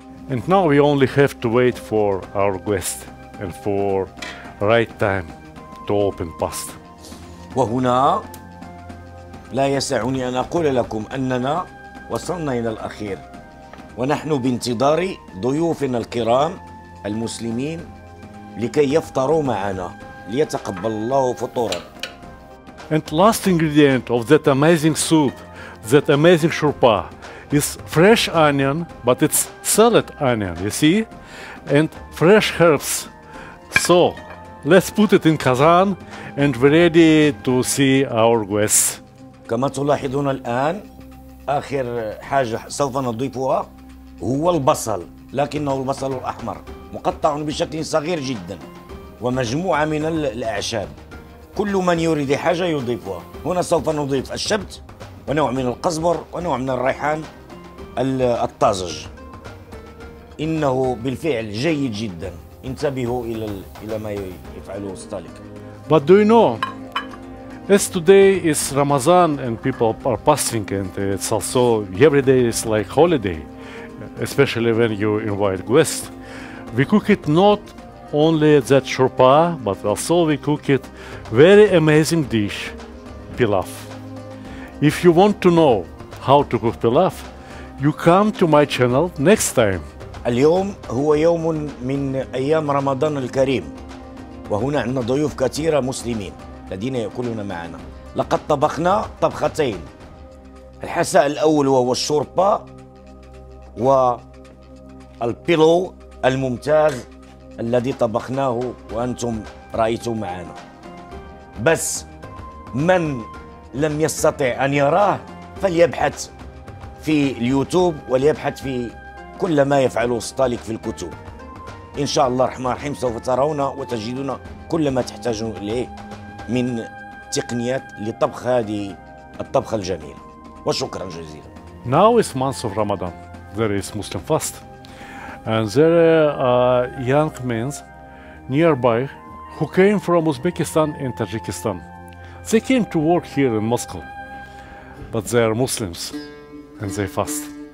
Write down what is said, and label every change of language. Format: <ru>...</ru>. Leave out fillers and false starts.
<en>And now we only have to wait for our guest and for right time. To open past.</en> <ar>وهنا لا يسعني أن أقول لكم أننا وصلنا إلى الأخير ونحن بانتظار ضيوفنا الكرام المسلمين لكي يفطروا معنا ليتقبل الله فطورا.</ar> <en>And last ingredient of that amazing soup, that amazing shurpa, is fresh onion, but it's salad onion, you see? And fresh herbs. So, let's put it in Kazan and we're ready to see our guests.</en> <ar>كما تلاحظون الآن آخر حاجة سوف نضيفها هو البصل لكنه البصل الأحمر مقطع بشكل صغير جدا ومجموعة من الأعشاب كل من يريد حاجة يضيفها هنا سوف نضيف الشبت ونوع من القزبر ونوع من الريحان الطازج إنه بالفعل جيد جدا انتبهوا إلى ما يفعله ستالك</ar> <en>But do you know As today is Ramadan and people are fasting and it's also every day is like holiday, especially when you invite guests. We cook it not only that shurpa, but also we cook it very amazing dish, pilaf. If you want to know how to cook pilaf, you come to my channel next time.</en> <ar>اليوم هو يوم من أيام رمضان الكريم وهنا عندنا ضيوف كثيرة مسلمين. الذين يأكلون معنا لقد طبخنا طبختين الحساء الأول وهو الشوربة والبيلو الممتاز الذي طبخناه وأنتم رأيتم معنا بس من لم يستطع أن يراه فليبحث في اليوتيوب وليبحث في كل ما يفعله ستالك في الكتب إن شاء الله الرحمن الرحيم سوف ترون وتجدون كل ما تحتاجون إليه من تقنيات لطبخ هذه الطبخة الجميلة وشكرا جزيلا</ar> <en>Now is month of Ramadan there is Muslim fast and there are young men nearby who came from Uzbekistan and Tajikistan they came to work here in Moscow but they are Muslims and they fast</en>